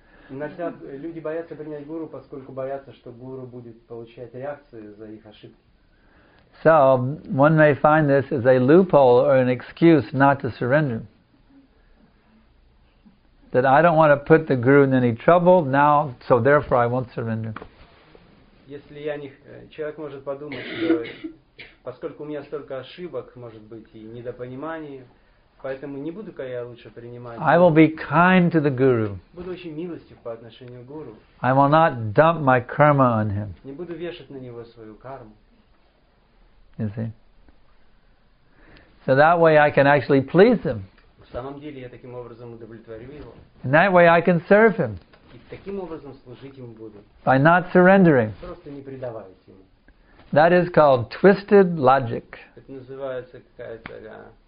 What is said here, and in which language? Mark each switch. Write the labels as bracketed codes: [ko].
[ru] Люди боятся принять гуру, поскольку боятся, что гуру будет получать реакцию за их ошибки. [en] So one may find this as a loophole or an excuse not to surrender. That I don't want to put the guru in any trouble now, so therefore I won't surrender. [ru] Если я не человек может подумать, что поскольку у меня столько ошибок, может быть, и недопониманий, поэтому не буду-ка я лучше принимать. [en] I will be kind to the guru. [ru] Буду очень милостив по отношению к гуру. [en] I will not dump my karma on him. [ru] Не буду вешать на него свою карму. [en] You see? So that way I can actually please him. [ru] В самом деле я таким образом удовлетворю его. [en] And that way I can serve him. [ru] И таким образом служить ему буду. [en] By not surrendering. [ru] Просто не предаваясь ему. [en] That is called twisted logic. [ru] Это называется какая-то